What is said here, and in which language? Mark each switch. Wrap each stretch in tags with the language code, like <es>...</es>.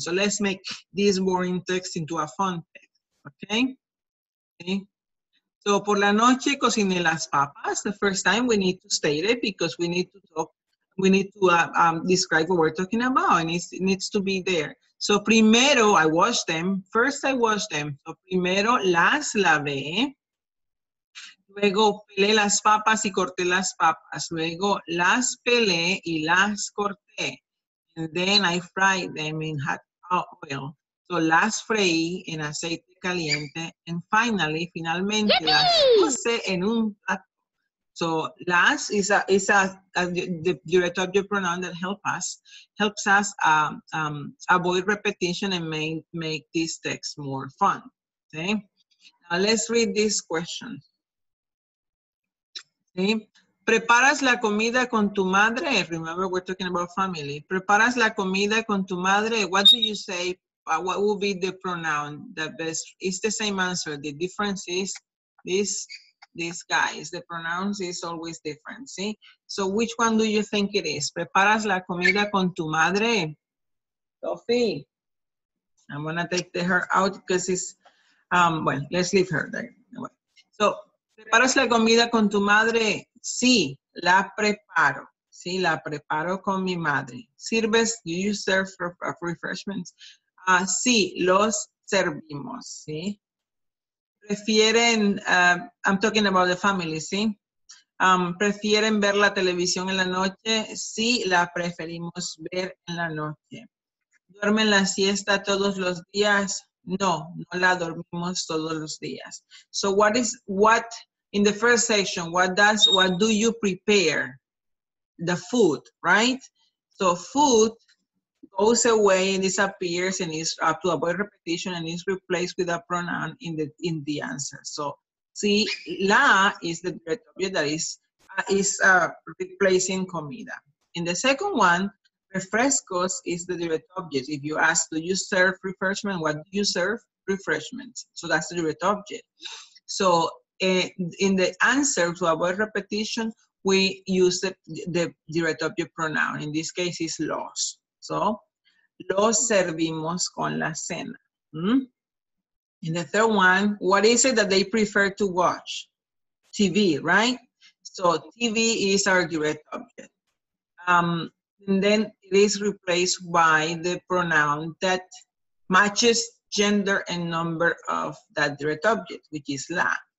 <en>So, let's make this boring text into a fun text. Okay? Okay?</en> <es>So, por la noche cociné las papas.</es> <en>The first time we need to state it because we need to talk. We need to describe what we're talking about. And it needs to be there. So primero, I washed them. First, I washed them. So primero,</en> <es>las lavé. Luego, pelé las papas y corté las papas. Luego, las pelé y las corté.</es> <en>And then I fried them in hot oil.</en> <es>So las freí en aceite caliente.</es> <en>And finally,</en> <es>finalmente, las puse en un plato.</es> <en>So las is a the direct object pronoun that helps us avoid repetition and make this text more fun. Okay. Now let's read this question. Okay.</en> <es>¿Preparas la comida con tu madre?</es> <en>Remember, we're talking about family.</en> <es>¿Preparas la comida con tu madre?</es> <en>What do you say? What will be the pronoun that best? It's the same answer. The difference is this. These guys, the pronoun is always different, see? So which one do you think it is?</en> <es>¿Preparas la comida con tu madre?</es> <en>Sophie. I'm gonna take her out because it's, well, let's leave her there.</en> <es>So, ¿preparas la comida con tu madre? Sí, la preparo. Sí, la preparo con mi madre. ¿Sirves?</es> <en>Do you serve for refreshments?</en> <es>Sí, los servimos, sí. Prefieren,</es> <en>I'm talking about the family,</en> <es>¿sí? ¿Prefieren ver la televisión en la noche? Sí, la preferimos ver en la noche. ¿Duermen la siesta todos los días? No, no la dormimos todos los días.</es> <en>So what in the first section, what do you prepare? The food, right? So food goes away and disappears and is to avoid repetition and is replaced with a pronoun in the answer. So, si, la is the direct object that is replacing comida. In the second one, refrescos is the direct object. If you ask, do you serve refreshment? What do you serve? Refreshments. So that's the direct object. So, in the answer to avoid repetition, we use the direct object pronoun. In this case, it's los.</en> <es>So, los servimos con la cena.</es> <en>And the third one, what is it that they prefer to watch? TV, right? So, TV is our direct object. And then it is replaced by the pronoun that matches gender and number of that direct object, which is la.</en>